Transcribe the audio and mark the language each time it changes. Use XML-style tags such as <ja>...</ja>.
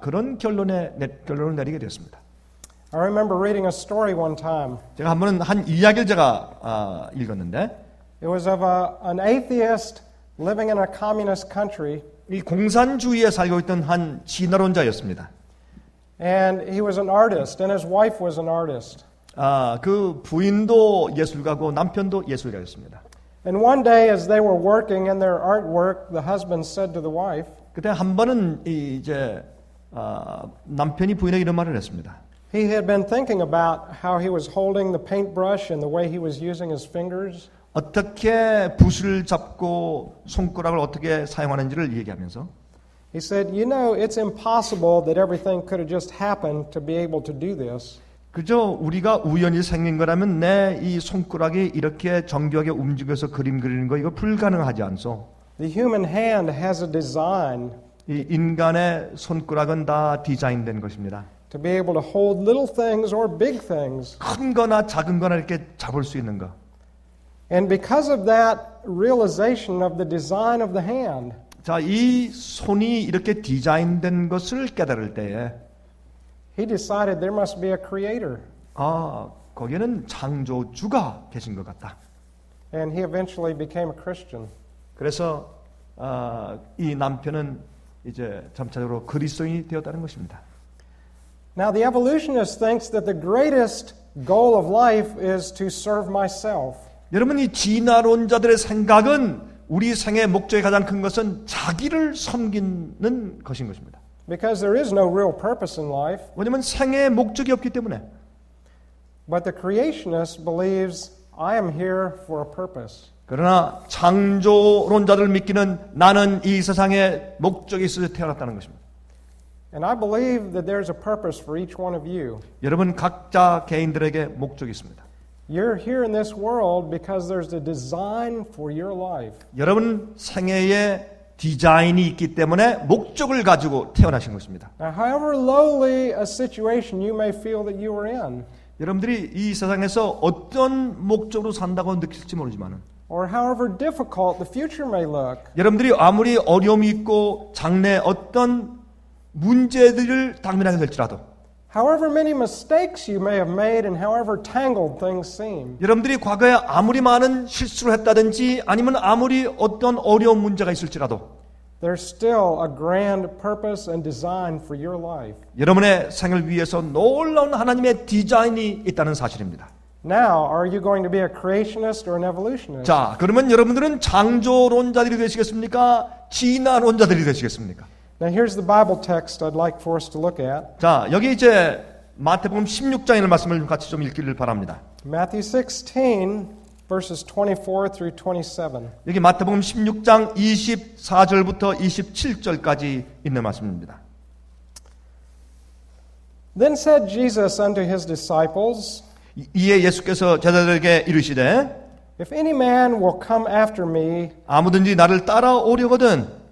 <ko>그런 결론을 내리게 되었습니다.</ko> <en>I remember reading a story one time.</en> <ko>제가 한 번은 한 이야기를 제가 읽었는데</ko> <en>It was of an atheist living in a communist country.</en> <ko>이 공산주의에 살고 있던 한 진화론자였습니다.</ko> <en>And he was an artist and his wife was an artist.</en> <ko>그 부인도 예술가고 남편도 예술가였습니다.</ko> <en>And one day, as they were working in their artwork, the husband said to the wife.</en> <ko>그때 한 번은 이제 남편이 부인에게 이런 말을 했습니다.</ko> <en>He had been thinking about how he was holding the paintbrush and the way he was using his fingers.</en> <ko>어떻게 붓을 잡고 손가락을 어떻게 사용하는지를 얘기하면서.</ko> <en>He said, "You know, it's impossible that everything could have just happened to be able to do this."</en> <ko>그저 우리가 우연히 생긴 거라면 내 이 손가락이 이렇게 정교하게 움직여서 그림 그리는 거 이거 불가능하지 않소.</ko> <en>The human hand has a design.</en> <ko>이 인간의 손가락은 다 디자인된 것입니다.</ko> <en>To be able to hold little things or big things.</en> <ko>큰 거나 작은 거나 이렇게 잡을 수 있는 거.</ko> <en>And because of that realization of the design of the hand.</en> <ko>자, 이 손이 이렇게 디자인된 것을 깨달을 때에</ko> <en>He decided there must be a creator.</en> <ko>거기는 창조주가 계신 것 같다.</ko> <en>And he eventually became a Christian.</en> <ko>그래서 이 남편은 이제 점차적으로 그리스도인이 되었다는 것입니다.</ko> <en>Now the evolutionist thinks that the greatest goal of life is to serve myself.</en> <ko>여러분, 이 진화론자들의 생각은 우리 생애 목적이 가장 큰 것은 자기를 섬기는 것인 것입니다.</ko> <en>Because there is no real purpose in life.</en> <ko>왜냐면 생애의 목적이 없기 때문에.</ko> <en>But the creationist believes I am here for a purpose.</en> <ko>그러나 창조론자들 믿기는 나는 이 세상에 목적이 있어서 태어났다는 것입니다.</ko> <en>And I believe that there is a purpose for each one of you.</en> <ko>여러분 각자 개인들에게 목적이 있습니다.</ko> <en>You're here in this world because there's a design for your life.</en> <ko>여러분 생애에 디자인이 있기 때문에 목적을 가지고 태어나신 것입니다.</ko> <en>Now, however lowly a situation you may feel that you are in.</en> <ko>여러분들이 이 세상에서 어떤 목적으로 산다고 느낄지 모르지만은</ko> <en>Or however difficult the future may look.</en> <ko>여러분들이 아무리 어려움이 있고 장래 어떤 문제들을 당면하게 될지라도</ko> <en>However many mistakes you may have made and however tangled things seem.</en> <ko>여러분들이 과거에 아무리 많은 실수를 했다든지 아니면 아무리 어떤 어려운 문제가 있을지라도</ko> <en>There's still a grand purpose and design for your life.</en> <ko>여러분의 생을 위해서 놀라운 하나님의 디자인이 있다는 사실입니다.</ko> <en>Now, are you going to be a creationist or an evolutionist?</en> <ko>자, 그러면 여러분들은 창조론자들이 되시겠습니까? 진화론자들이 되시겠습니까?</ko> <en>Now, here's the Bible text I'd like for us to look at.</en> <ko>자, 여기 이제 마태복음 16장의 말씀을 같이 좀 읽기를 바랍니다.</ko> <en>Matthew 16 verses 24 through 27.</en> <ko>여기 마태복음 16장 24절부터 27절까지 있는 말씀입니다.</ko> <en>Then said Jesus unto his disciples,</en> <ko>이에 예수께서 제자들에게 이르시되</ko> <en>If any man will come after me,</en> <ko>아무든지 나를 따라오려거든</ko>